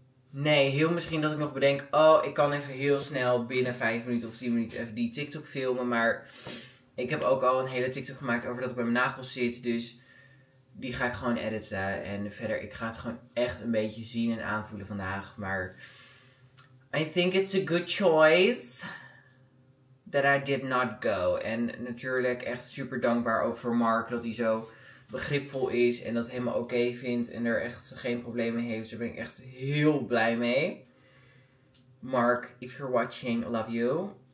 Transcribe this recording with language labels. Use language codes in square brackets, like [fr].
[nl] Nee, heel misschien dat ik nog bedenk. Oh, ik kan even heel snel binnen 5 minuten of 10 minuten even die TikTok filmen. Maar ik heb ook al een hele TikTok gemaakt over dat ik bij mijn nagels zit. Dus die ga ik gewoon editen. En verder, ik ga het gewoon echt een beetje zien en aanvoelen vandaag. Maar [en] I think it's a good choice that I did not go. [nl] En natuurlijk echt super dankbaar ook voor Mark. Dat hij zo begripvol is en dat helemaal oké vindt. En er echt geen problemen heeft. Daar ben ik echt heel blij mee. [en] Mark, if you're watching, love you.